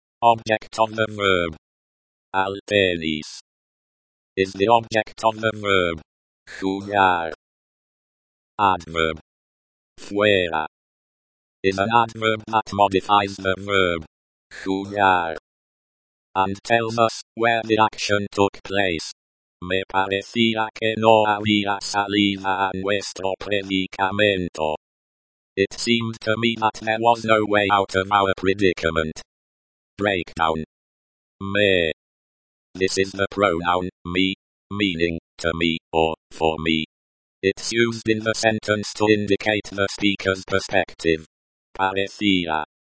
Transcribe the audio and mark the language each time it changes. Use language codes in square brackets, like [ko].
[en] Object of the verb [es] al tenis [en] is the object of the verb jugar. Adverb fuera is an adverb that modifies the verb jugar and tells us where the action took place. [es] Me parecía que no había salida a nuestro predicamento. [en] It seemed to me that there was no way out of our predicament. Breakdown. Me. This is the pronoun, me, meaning, to me, or, for me. It's used in the sentence to indicate the speaker's perspective. Parecía.